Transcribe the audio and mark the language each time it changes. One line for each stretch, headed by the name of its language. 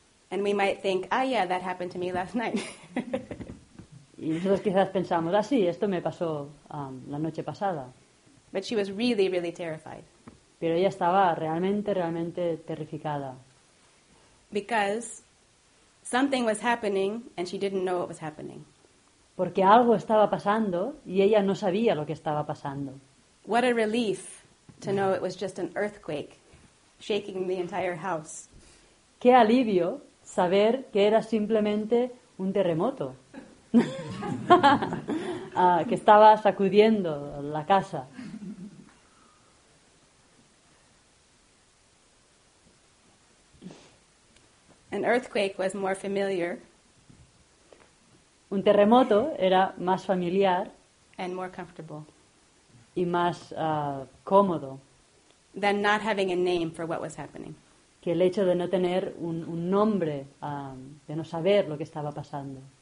English: And we might think, ah, yeah, that happened to me last night.
Spanish: Y nosotros quizás pensamos, ah, sí, esto me pasó la noche pasada.
English: But she was really, really terrified.
Spanish: Pero ella estaba realmente, realmente terrificada.
English: Because something was happening and she didn't know what was happening.
Spanish: Porque algo estaba pasando y ella no sabía lo que estaba pasando.
English: What a relief to know it was just an earthquake shaking the entire house.
Spanish: Qué alivio saber que era simplemente un terremoto que estaba sacudiendo la casa.
English: An earthquake was more familiar.
Spanish: Un terremoto era más familiar.
English: And more comfortable.
Spanish: Y más cómodo.
English: Than not having a name for what was happening.
Spanish: Que el hecho de no tener un nombre, de no saber lo que estaba pasando.